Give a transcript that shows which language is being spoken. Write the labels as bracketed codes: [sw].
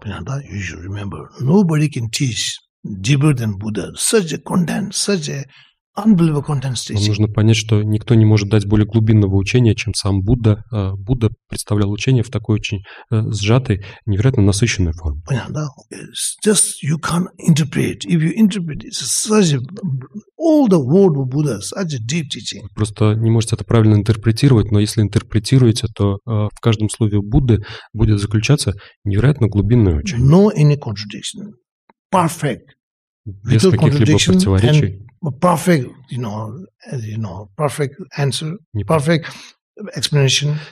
[ru] Да, [en] you should remember, nobody can teach deeper than Buddha. Such a content, such a unbelievable content teaching. [ru] Вам нужно понять, что никто не может дать более глубинного учения, чем сам Будда. Будда представлял учение в такой очень сжатой, невероятно насыщенной форме. Понятно, да? [en] Just you can't interpret. If you interpret, it's such a, all the word of Buddha, such a deep teaching. [ru] Просто не можете это правильно интерпретировать, но если интерпретируете, то в каждом слове Будды будет заключаться невероятно глубинное учение. [en] No any contradiction. Perfect. [ru] Без каких-либо противоречий. [en] Perfect, you know, perfect answer, perfect explanation.